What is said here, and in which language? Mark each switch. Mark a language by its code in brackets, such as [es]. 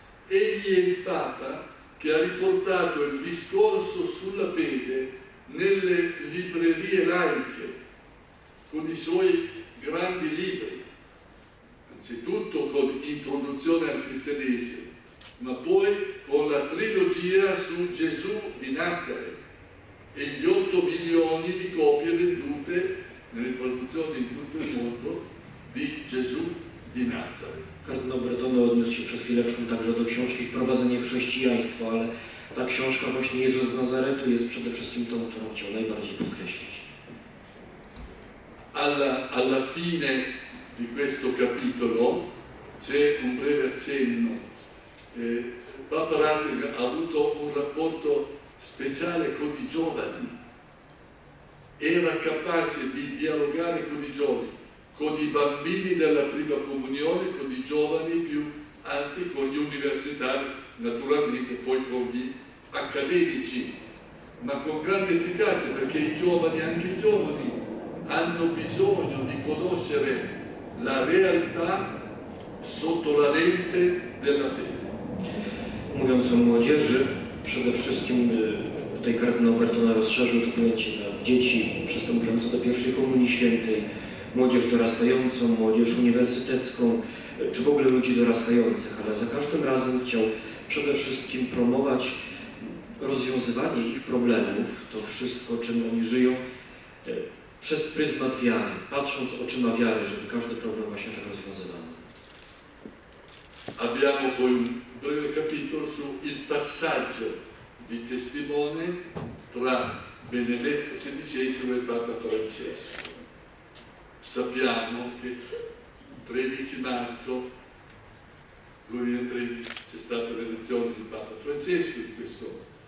[it] Egli è il Papa che ha riportato il discorso sulla fede nelle librerie laiche con i suoi grandi libri, anzitutto con Introduzione al Cristianesimo, ma poi con la trilogia su Gesù di Nazaret e gli 8 milioni di copie vendute nelle traduzioni in tutto il mondo di Gesù di Nazaret. [pl] Kardynał Bertone odniósł się przez chwileczkę także do książki Wprowadzenie w chrześcijaństwo, ale ta książka właśnie Jezus z Nazaretu jest przede wszystkim tą, którą chciał najbardziej podkreślić. [it] Alla fine di questo capitolo c'è un breve accenno. Papa Ratzinger ha avuto un rapporto speciale con i giovani. Era capace di dialogare con i giovani, con i bambini della prima comunione, con i giovani più alti, con gli universitari, naturalmente poi con gli accademici, ma con grande efficacia, perché i giovani, anche i giovani, hanno bisogno di conoscere la realtà sotto la lente della fede. [pl] Mówiąc o młodzieży, przede wszystkim tutaj kardynał Bertone rozszerzył to pojęcie na dzieci przystępujące do pierwszej komunii świętej, młodzież dorastającą, młodzież uniwersytecką, czy w ogóle ludzi dorastających, ale za każdym razem chciał przede wszystkim promować rozwiązywanie ich problemów, to wszystko, czym oni żyją, przez pryzmat wiary, patrząc oczyma wiary, żeby każdy problem właśnie tak rozwiązywał. [it] Abbiamo poi un breve capitolo su il passaggio di testimone tra Benedetto XVI e Papa Francesco. Sappiamo che il 13 marzo 2013 c'è stata l'elezione di Papa Francesco in questo